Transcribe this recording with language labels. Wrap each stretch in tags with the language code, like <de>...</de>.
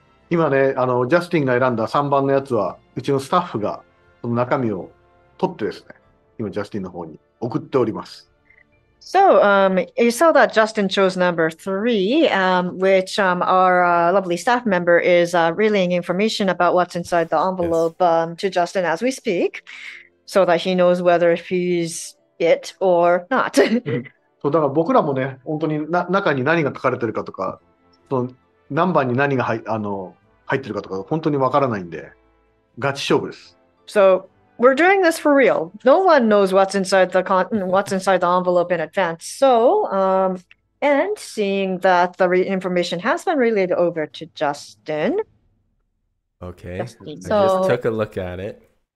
<ja>今ね、あの、ジャスティンが選んだ3番のやつは、うちのスタッフがその中身を取ってですね、今、ジャスティンの方に送っております。</ja> <en>So, you saw that Justin chose number 3, which our lovely staff member is relaying information about what's inside the envelope yes. To Justin as we speak, so that he knows whether he's it or not.</en> <ja>So, だから僕らもね、本当に中に何が書かれてるかとか、その何番に何が入ってるかとか、本当にわからないんで、ガチ勝負です。</ja> <en>So,We're doing this for real. No one knows what's inside the envelope in advance. So, and seeing that the information has been relayed over to Justin. Okay. Justin. So, I just took a look at it.</en>